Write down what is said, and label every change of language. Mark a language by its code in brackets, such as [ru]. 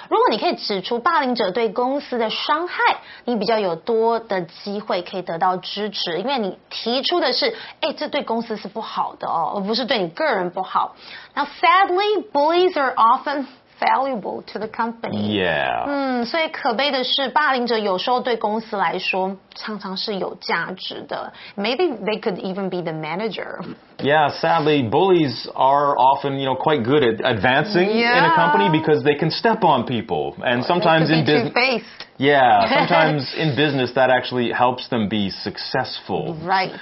[zh] 如果你可以指出霸凌者对公司的伤害，你比较有多的机会可以得到支持，因为你提出的是，哎，这对公司是不好的哦，而不是对你个人不好。 [en] Now, sadly, bullies are often valuable to the company. Yeah. [zh] 所以可悲的是，霸凌者有时候对公司来说。常常是有价值的。 [en] Maybe they could even be the manager. Yeah, sadly, bullies are often, you know, quite good at advancing in a company because they can step on people. And sometimes in business, yeah, sometimes in business that actually helps them be successful. Right.